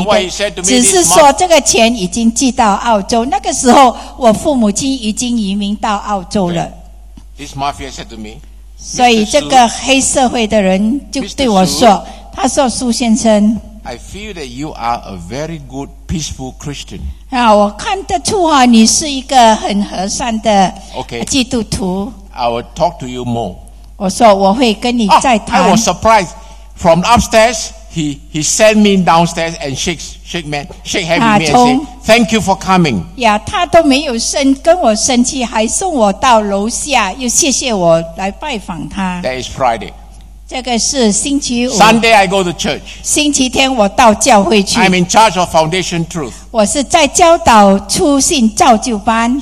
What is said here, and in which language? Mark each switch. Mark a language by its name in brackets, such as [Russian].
[English] You know, [Chinese] 只是说这个钱已经寄到澳洲，那个时候我父母亲已经移民到澳洲了。 [English] This mafia said to me, [Chinese] 所以这个黑社会的人就对我说，他说苏先生。 [English] I feel that you are a very good, peaceful Christian. [Chinese] 啊，我看得出啊，你是一个很和善的基督徒。 [English] Okay. I will talk to you more. [Chinese] 我说我会跟你再谈。 [English] I was surprised. From upstairs, he sent me downstairs and shake hand with me and say, "Thank you for coming." [Chinese] 呀，他都没有生跟我生气，还送我到楼下，又谢谢我来拜访他。 [English] That is Friday. [Chinese] 这个是星期五。 [English] Sunday I go to church. [Chinese] 星期天我到教会去。 [English] I'm in charge of Foundation Truth. [Chinese] 我是在教导初信造就班。